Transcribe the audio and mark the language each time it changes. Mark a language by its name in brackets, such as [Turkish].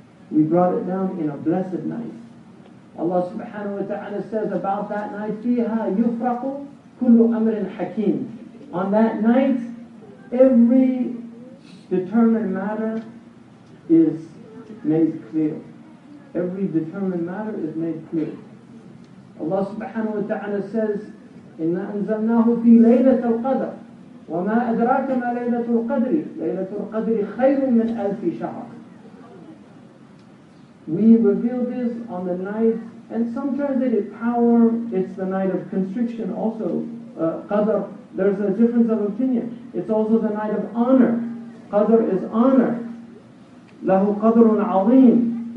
[English] We brought it down in a blessed night. Allah subhanahu wa ta'ala says about that night, [Arabic] فِيهَا يُفْرَقُ كُلُّ أَمْرٍ حَكِيمٍ, [English] on that night every determined matter is made clear. Every determined matter is made clear. Allah subhanahu wa ta'ala says, [Arabic] إِنَّا أَنزَلْنَاهُ فِي لَيْلَةَ الْقَدَرِ, وما أدراك ما ليلة القدر. ليلة القدر خير من ألف شهر. [English] We reveal this on the night, and sometimes it is power, it's the night of constriction also. Qadr, there's a difference of opinion. It's also the night of honor. Qadr is honor. [Arabic] له قدر عظيم.